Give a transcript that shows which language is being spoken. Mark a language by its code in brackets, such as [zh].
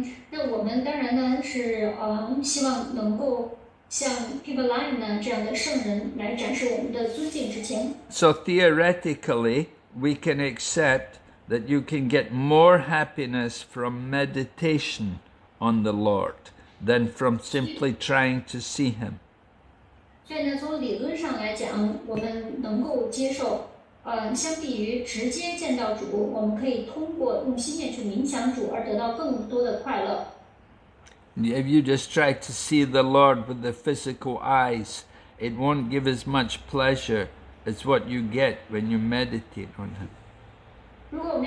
[zh] 那我们当然呢是希望能够 像People Line呢, [en] so theoretically, we can accept that you can get more happiness from meditation on the Lord than from simply trying to see Him. [zh] 所以呢,从理论上来讲,我们能够接受,相比于直接见到主,我们可以通过用心念去冥想主而得到更多的快乐。 [en] If you just try to see the Lord with the physical eyes, it won't give as much pleasure as what you get when you meditate on Him.